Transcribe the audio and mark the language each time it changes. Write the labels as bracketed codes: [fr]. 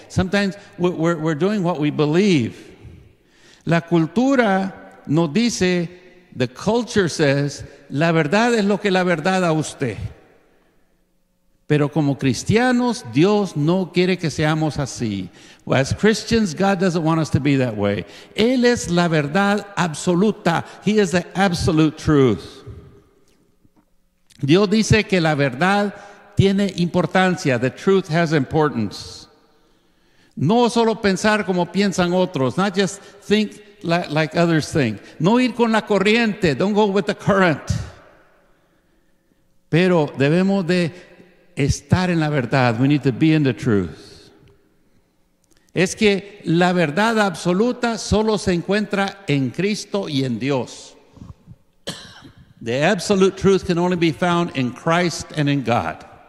[en] Sometimes we're doing what we believe. [es] La cultura nos dice, [en] the culture says, [es] la verdad es lo que la verdad a usted. Pero como cristianos, Dios no quiere que seamos así. [en] As Christians, God doesn't want us to be that way. [es] Él es la verdad absoluta. [en] He is the absolute truth. [es] Dios dice que la verdad tiene importancia. [en] The truth has importance. [es] No solo pensar como piensan otros. [en] Not just think like others think. [es] No ir con la corriente. [en] Don't go with the current. [es] Pero debemos de estar en la verdad. [en] We need to be in the truth. [es] Es que la verdad absoluta solo se encuentra en Cristo y en Dios. [en] The absolute truth can only be found in Christ and in God.